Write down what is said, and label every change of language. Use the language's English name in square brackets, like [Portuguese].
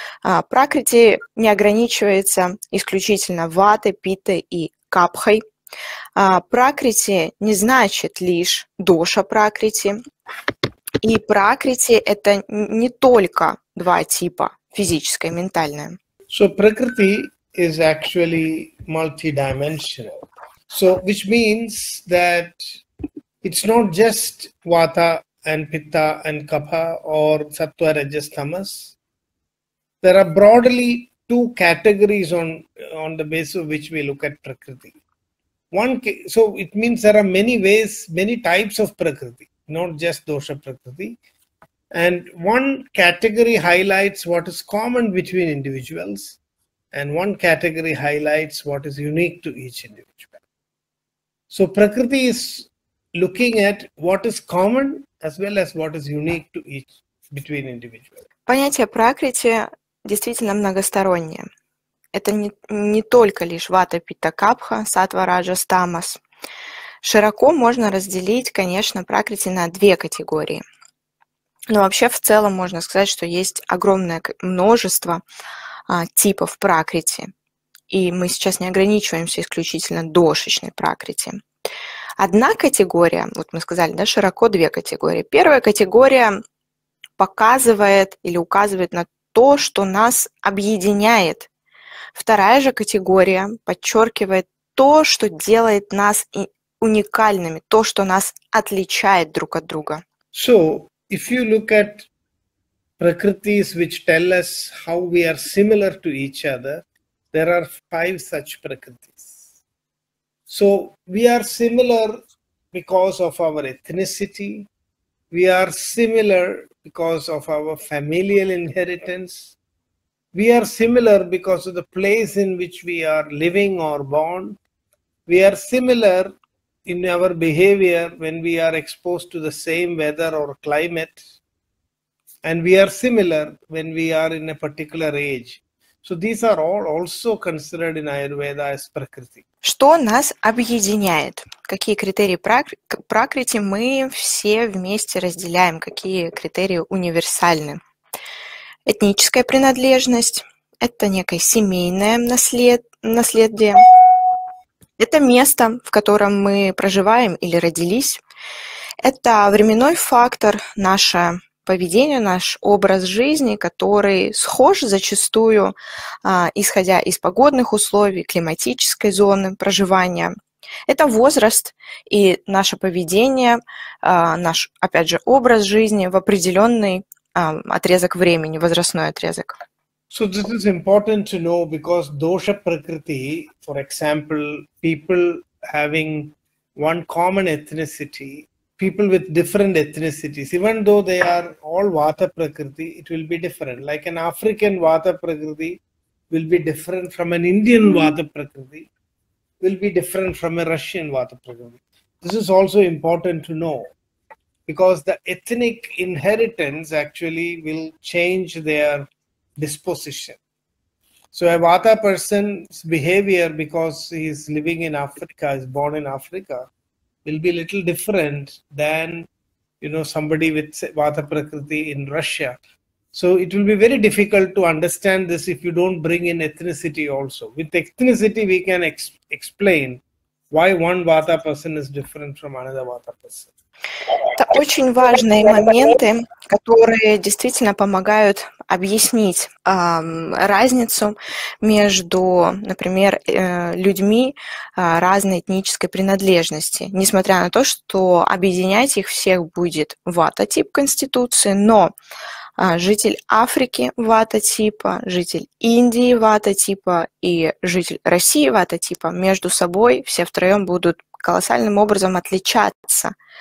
[Russian] Пракрити не ограничивается исключительно ватой, питой и капхой. Пракрити не значит лишь доша Пракрити. И Пракрити – это не только два типа, физическое и ментальное. [English] So, Prakriti is actually multidimensional. So, which means that it's not just Vata and Pitta and Kapha or Sattva, Rajas, Tamas. There are broadly two categories on the basis of which we look at Prakriti. So it means there are many ways, many types of Prakriti, not just Dosha Prakriti. And one category highlights what is common between individuals, and one category highlights what is unique to each individual. So Prakriti is looking at what is common as well as what is unique to each between individuals. [Russian] Понятие Пракрити действительно многостороннее. Это не только лишь вата, питта, капха, сатва, раджас, тамас. Широко можно разделить, конечно, Пракрити на две категории. Но вообще в целом можно сказать, что есть огромное множество типов Пракрити. И мы сейчас не ограничиваемся исключительно дошечной Пракрити. Одна категория, вот мы сказали, да, широко две категории. Первая категория показывает или указывает на то, что нас объединяет. Вторая же категория подчеркивает то, что делает нас уникальными, то, что нас отличает друг от друга. [English] So, if you look at Prakritis, which tell us how we are similar to each other, there are five such Prakritis. So we are similar because of our ethnicity. We are similar because of our familial inheritance. We are similar because of the place in which we are living or born. We are similar in our behavior when we are exposed to the same weather or climate. And we are similar when we are in a particular age. So these are all also considered in Ayurveda as Prakriti. [Russian] Что нас объединяет? Какие критерии Пракрити мы все вместе разделяем? Какие критерии универсальны? Этническая принадлежность – это некое семейное наследие. Это место, в котором мы проживаем или родились. Это временной фактор, наше поведение, наш образ жизни, который схож зачастую, исходя из погодных условий, климатической зоны проживания. Это возраст и наше поведение, наш, опять же, образ жизни в определенный отрезок времени, возрастной отрезок. [English] So this is important to know because dosha prakriti, for example, people having one common ethnicity, people with different ethnicities, even though they are all vata prakriti, it will be different. Like an African vata prakriti will be different from an Indian vata prakriti, will be different from a Russian vata prakriti. This is also important to know. Because the ethnic inheritance actually will change their disposition. So a Vata person's behavior, because he is living in Africa, is born in Africa, will be a little different than, you know, somebody with Vata Prakriti in Russia. So it will be very difficult to understand this if you don't bring in ethnicity also. With ethnicity, we can explain why one Vata person is different from another Vata person. [Russian] Это очень важные моменты, которые действительно помогают объяснить разницу между, например, людьми разной этнической принадлежности, несмотря на то, что объединять их всех будет вата-тип конституции, но житель Африки вата-типа, житель Индии вата-типа и житель России вата-типа между собой все втроем будут колоссальным образом отличаться.